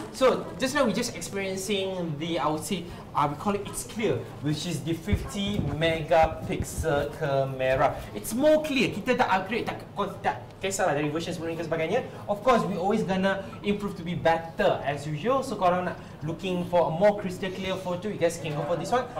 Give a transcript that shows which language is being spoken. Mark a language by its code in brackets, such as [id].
[en] So just now we just experiencing the, I would say, we call it It's Clear, which is the 50 megapixel camera. It's more clear. [ms] Kita dah upgrade, tak kisahlah dari version sebelum ni ke sebagainya. [en] Of course, we always gonna improve to be better as usual. So [ms] korang nak [en] looking for a more crystal clear photo, you guys can go for this one.